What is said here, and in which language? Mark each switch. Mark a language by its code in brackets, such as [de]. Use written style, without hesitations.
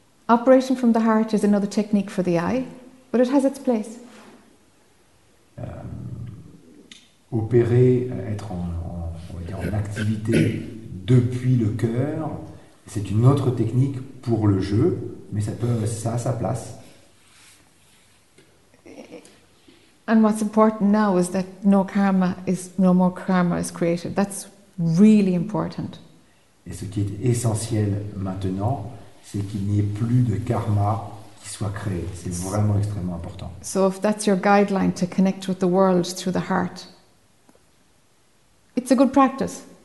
[en] Operation from the heart is another technique for the eye, but it has its place. [fr] Opérer, être en activité depuis le cœur, c'est une autre technique pour le jeu, mais ça a sa place. [en] And what's important now is that no more karma is created. That's really important. [fr] Et ce qui est essentiel maintenant, c'est qu'il n'y ait plus de karma qui soit créé. C'est vraiment extrêmement important. [en] So if that's your guideline to connect with the world through the heart, it's a good practice.